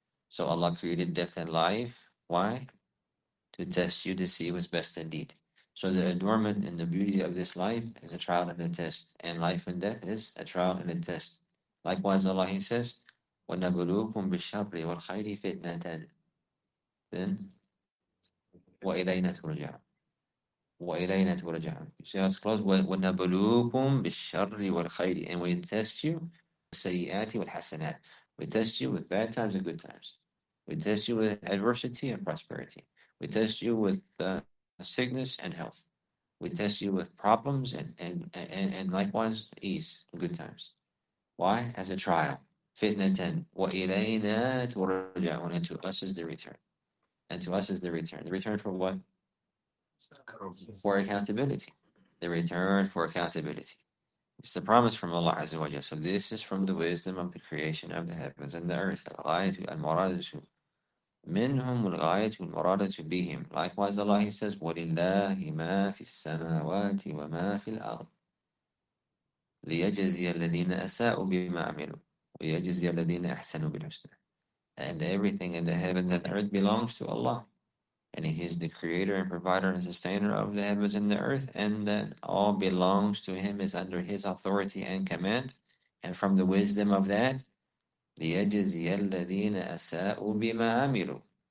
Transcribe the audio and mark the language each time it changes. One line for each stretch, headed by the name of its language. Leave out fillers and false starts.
English: So Allah created death and life. Why? To test you to see what's best indeed. So the adornment and the beauty of this life is a trial and a test. And life and death is a trial and a test. Likewise, Allah, He says,
Arabic: وَنَبْلُوكُمْ بِالشَّرِّ وَالْخَيْرِ فِتْنَةً.
English: Then,
Arabic: وَإِلَيْنَا تُرْجَعُونَ. وَإِلَيْنَا تُرْجَعُونَ.
English: You see how it's closed?
Arabic: وَنَبْلُوكُمْ بِالشَّرِّ وَالْخَيْرِ.
English: And we test you,
Arabic: سَيِّئَاتِ وَالْحَسَنَاتِ.
English: We test you with bad times and good times. We test you with adversity and prosperity. We test you with sickness and health. We test you with problems and likewise ease and good times. Why? As a trial.
Arabic: Fitnatan. Wa ilayna turja'un.
English: And to us is the return. And to us is the return. The return for what? For accountability. The return for accountability. It's the promise from Allah Azza wa Jalla. So this is from the wisdom of the creation of the heavens and the earth.
Arabic: Al-ghayatu al-muradatu minhum al-ghayatu al-muradatu bihim.
English: Likewise, Allah, He says,
Arabic: وَلِلَّهِ مَا فِي السَّمَاوَاتِ وَمَا فِي الْأَرْضِ لِيَجَزِيَ الَّذِينَ أَسَاءُوا بِمَا عَمِلُوا وَيَجَزِيَ الَّذِينَ أَحْسَنُوا بِالْحُسْنَى.
English: And everything in the heavens and the earth belongs to Allah. And He is the creator and provider and sustainer of the heavens and the earth. And that all belongs to Him, is under His authority and command. And from the wisdom of that,
Arabic: لِيَجَزِيَ الَّذِينَ أَسَاءُوا بِمَا عَمِلُوا.